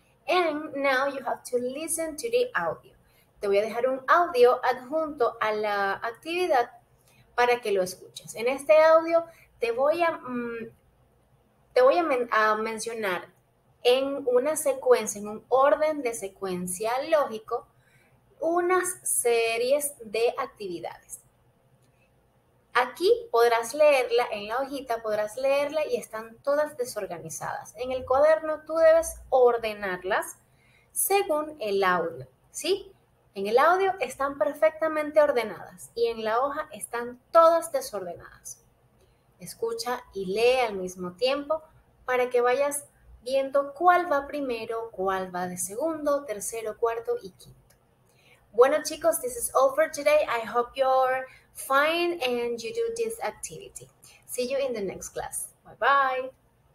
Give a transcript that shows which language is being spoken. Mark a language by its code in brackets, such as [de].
[en] And now you have to listen to the audio. [es] Te voy a dejar un audio adjunto a la actividad para que lo escuches. En este audio te voy a mencionar en una secuencia, en un orden de secuencia lógico, unas series de actividades. Aquí podrás leerla, en la hojita podrás leerla y están todas desorganizadas. En el cuaderno tú debes ordenarlas según el audio, ¿sí? En el audio están perfectamente ordenadas y en la hoja están todas desordenadas. Escucha y lee al mismo tiempo para que vayas viendo cuál va primero, cuál va de segundo, tercero, cuarto y quinto. Bueno, chicos, [en] this is all for today. I hope you're fine and you do this activity. See you in the next class. Bye-bye.